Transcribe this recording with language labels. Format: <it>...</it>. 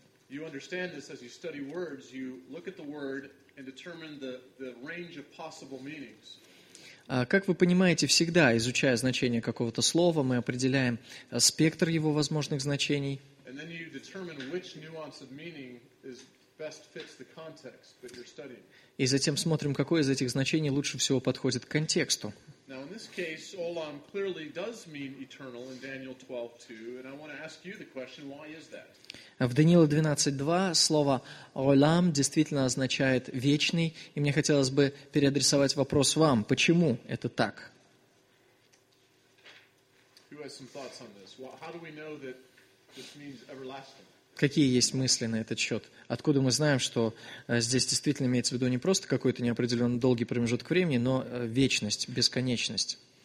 <en>You understand this as you study words, you look at the word and determine the range of possible meanings.</en> <ru>Как вы понимаете, всегда, изучая значение какого-то слова, мы определяем спектр его возможных значений.</ru> <en>And then you determine which nuance of meaning is best fits the context that you're studying.</en> <ru>И затем смотрим, какое из этих значений лучше всего подходит к контексту.</ru> <en>Now in this case, olam clearly does mean eternal in Daniel 12:2, and I want to ask you the question: why is that?</en> <ru>В Даниила 12:2 слово olam действительно означает вечный, и мне хотелось бы переадресовать вопрос вам: почему это так?</ru> <en>Who has some thoughts on this? How do we know that this means everlasting?</en> <ru>Какие есть мысли на этот счет? Откуда мы знаем, что здесь действительно имеется в виду не просто какой-то неопределенно долгий промежуток времени, но вечность, бесконечность?</ru>